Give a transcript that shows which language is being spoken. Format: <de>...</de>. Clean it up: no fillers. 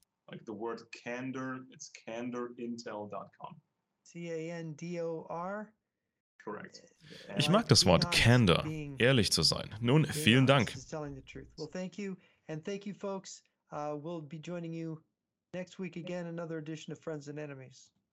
<en>Like the word candor, it's candorintel.com. C-A-N-D-O-R? Correct.</en> <de>Ich mag das Wort candor, ehrlich zu sein. Nun, vielen Dank.</de> <en>Well, thank you. And thank you, folks. We'll be joining you next week again, another edition of Friends and Enemies.</en>